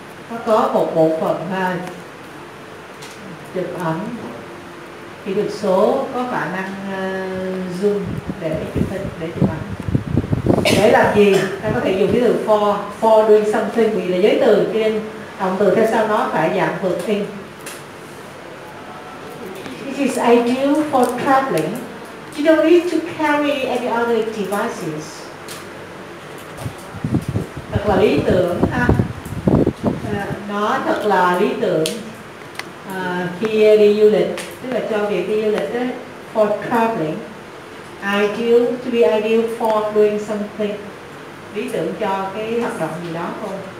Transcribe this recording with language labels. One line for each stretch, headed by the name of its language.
Vietnamese: Nó có một bộ phận ha, chụp ảnh, kỹ thuật số có khả năng zoom để chụp hình, để chụp ảnh. Để làm gì? Ta có thể dùng cái từ
English: for doing something,
Vietnamese: vì là giới từ trên động từ theo sau nó phải dạng vượt thêm.
English: It is ideal for traveling. You don't need to carry any other devices.
Vietnamese: Thật là lý tưởng ha. Nó thật là lý tưởng khi đi du lịch, tức là cho việc đi du lịch đó, for traveling.
English: Ideal, to be ideal for doing something.
Vietnamese: Lý tưởng cho cái hoạt động gì đó không?